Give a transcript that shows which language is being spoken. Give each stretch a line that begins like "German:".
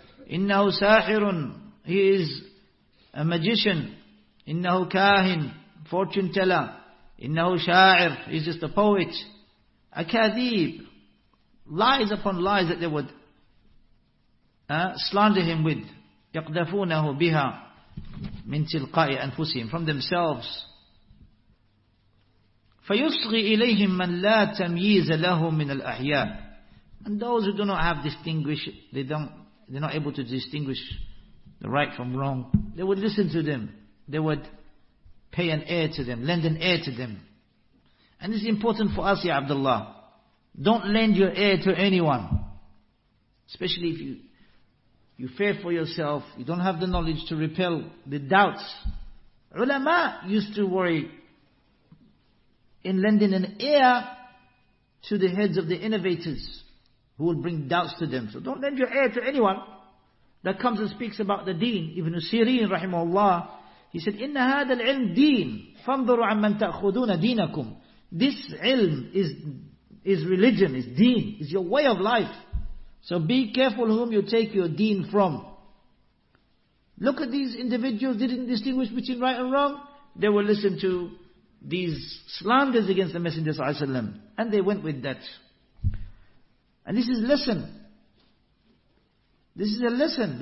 Arabic: Innahu sahirun,
English: he is a magician.
Arabic: Innahu kahin,
English: fortune teller.
Arabic: Innahu sha'ir,
English: he is just a poet.
Arabic: A kadib."
English: Lies upon lies that they would slander him with.
Arabic: يَقْدَفُونَهُ بِهَا مِنْ تِلْقَاءِ أَنْفُسِهِمْ,
English: from themselves.
Arabic: فَيُصْغِي إِلَيْهِمْ مَنْ لَا تَمْيِيزَ لَهُمْ مِنَ الْأَحْيَاءِ.
English: And those who do not have distinguished, they're not able to distinguish the right from wrong, they would listen to them. They would pay an ear to them, lend an ear to them. And this is important for us, Ya Abdullah. Don't lend your ear to anyone. Especially if you fear for yourself, you don't have the knowledge to repel the doubts. Ulama used to worry in lending an ear to the heads of the innovators who would bring doubts to them. So don't lend your ear to anyone that comes and speaks about the deen. Ibn Sirin, rahimahullah, he said,
Arabic: إِنَّ هَذَا الْعِلْمْ دِينَ فَانْظُرُوا عَمَّنْ تَأْخُذُونَ دِينَكُمْ.
English: This ilm is religion, is deen, is your way of life. So be careful whom you take your deen from. Look at these individuals, they didn't distinguish between right and wrong. They will listen to these slanders against the Messenger sallallahu alaihi wasallam, and they went with that. And this is lesson. This is a lesson.